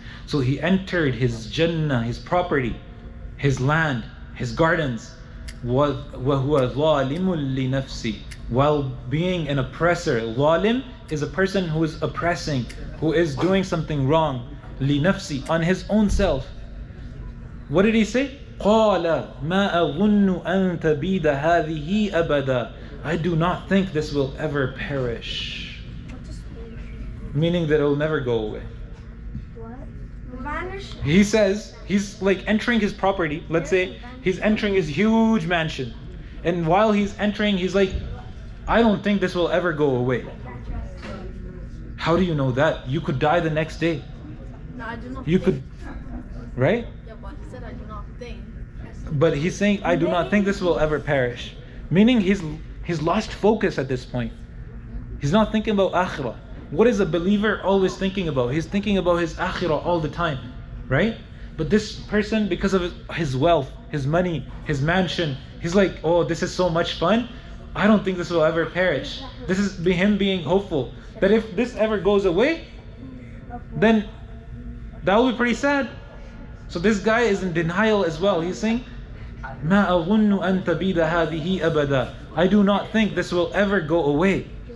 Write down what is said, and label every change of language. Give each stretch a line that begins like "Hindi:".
English: So he entered his Jannah, his property, his land, his gardens,
Arabic: وَهُوَ ظَالِمٌ لِنَفْسِهِ.
English: While being an oppressor, ظَالِم is a person who is oppressing, who is doing something wrong, لِنَفْسِهِ, on his own self. What did he say?
Arabic: قَالَ مَا أَظُنُّ أَن تَبِيدَ هَذِهِ أَبَدًا.
English: I do not think this will ever perish. Meaning that it will never go away. What? He says, he's like entering his property. Let's say he's entering his huge mansion. And while he's entering, he's like, I don't think this will ever go away. How do you know that? You could die the next day. No, I do not. You think. Could, right? Yeah, but he said, I do not think. But he's saying, I do not think this will ever perish. Meaning he's lost focus at this point. He's not thinking about akhirah. What is a believer always thinking about? He's thinking about his akhirah all the time, right? But this person, because of his wealth, his money, his mansion, he's like, oh, this is so much fun. I don't think this will ever perish. This is him being hopeful that if this ever goes away, then that will be pretty sad. So this guy is in denial as well. He's saying,
Arabic: مَا أَظُنُّ أَن تَبِيدَ هَذِهِ أَبَدًا.
English: I do not think this will ever go away.